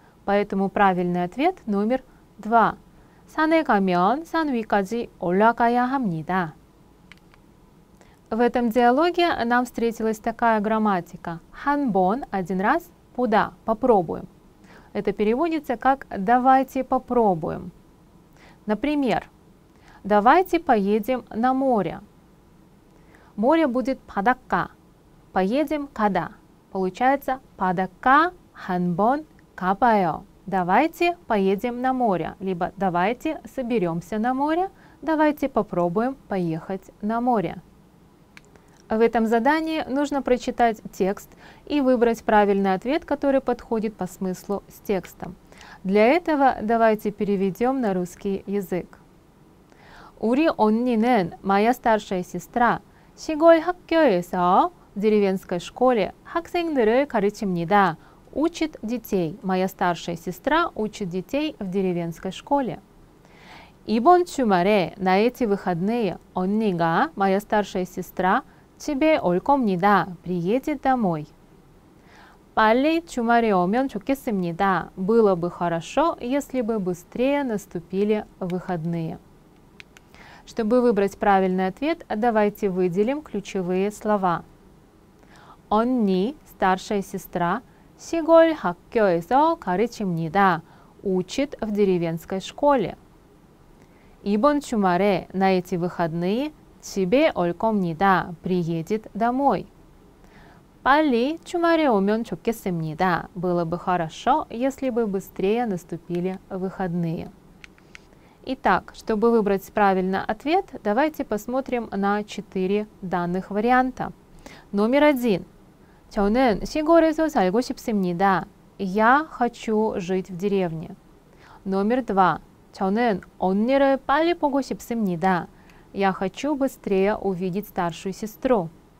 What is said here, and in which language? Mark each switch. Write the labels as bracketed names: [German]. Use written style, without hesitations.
[Russian] Поэтому правильный ответ номер 2. [Korean] 산에 가면 산 위까지 올라가야 합니다. [Russian] В этом диалоге нам встретилась такая грамматика. 한 번, один раз, 보다, попробуем. Это переводится как «давайте попробуем». Например, «давайте поедем на море». Море будет 바닷가. Поедем 가다. Получается [Korean] 바닷가 한 번 가봐요. [Russian] Давайте поедем на море. Либо давайте соберемся на море. Давайте попробуем поехать на море. В этом задании нужно прочитать текст и выбрать правильный ответ, который подходит по смыслу с текстом. Для этого давайте переведем на русский язык. [Korean] 우리 언니는, [Russian] моя старшая сестра, [Korean] 시골 학교에서, [Russian] в деревенской школе, [Korean] 학생들을 가르칩니다. [Russian] Учит детей. Моя старшая сестра учит детей в деревенской школе. [Korean] 이번 주말에, [Russian] на эти выходные, [Korean] 언니가, [Russian] моя старшая сестра, [Korean] 집에 올 겁니다. [Russian] Приедет домой. [Korean] 빨리 주말에 오면 좋겠습니다. [Russian] Было бы хорошо, если бы быстрее наступили выходные. Чтобы выбрать правильный ответ, давайте выделим ключевые слова. [Korean] 언니, [Russian] старшая сестра, [Korean] 시골 학교에서 가르칩니다. [Russian] Учит в деревенской школе. [Korean] 이번 주말에, [Russian] на эти выходные, [Korean] 집에 올 겁니다. [Russian] Приедет домой. [Korean] 빨리 주말에 오면 좋겠습니다. [Russian] Было бы хорошо, если бы быстрее наступили выходные. Итак, чтобы выбрать правильно ответ, давайте посмотрим на 4 данных варианта. Номер 1. [Korean] 저는 시골에서 살고 싶습니다. [Russian] Я хочу жить в деревне. Номер 2. [Korean] 저는 언니를 빨리 보고 싶습니다. [Russian] Я хочу быстрее увидеть старшую сестру.